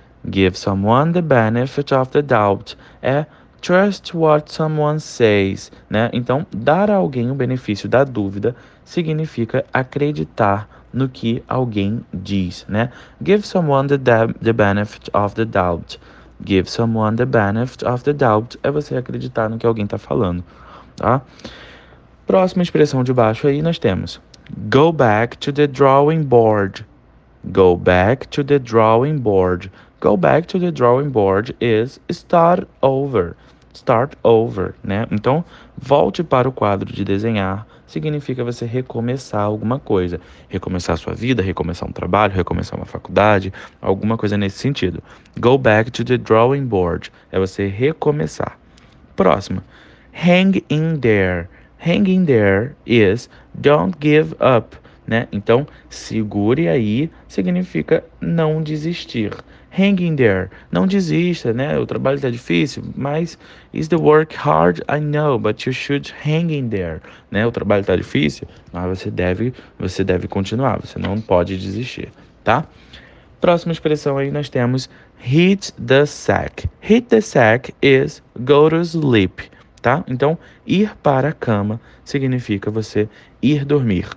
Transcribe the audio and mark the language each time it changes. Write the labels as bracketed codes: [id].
[en] Give someone the benefit of the doubt é trust what someone says, né? [pt] Então, dar a alguém o benefício da dúvida significa acreditar no que alguém diz, né? [en] Give someone the benefit of the doubt. Give someone the benefit of the doubt [pt] é você acreditar no que alguém tá falando, tá? Próxima expressão de baixo aí nós temos [en] go back to the drawing board. Go back to the drawing board. Go back to the drawing board is start over. Start over, né? [pt] Então, volte para o quadro de desenhar significa você recomeçar alguma coisa. Recomeçar a sua vida, recomeçar um trabalho, recomeçar uma faculdade, alguma coisa nesse sentido. [en] Go back to the drawing board. [pt] É você recomeçar. Próxima. [en] Hang in there. Hang in there is don't give up, né? [pt] Então, segure aí significa não desistir. Hang in there, não desista, né? O trabalho tá difícil, mas [en] is the work hard? I know, but you should hang in there, né? [pt] O trabalho tá difícil, mas você deve continuar, você não pode desistir, tá? Próxima expressão aí nós temos [en] hit the sack. Hit the sack is go to sleep. Tá? [pt] Então, ir para a cama significa você ir dormir.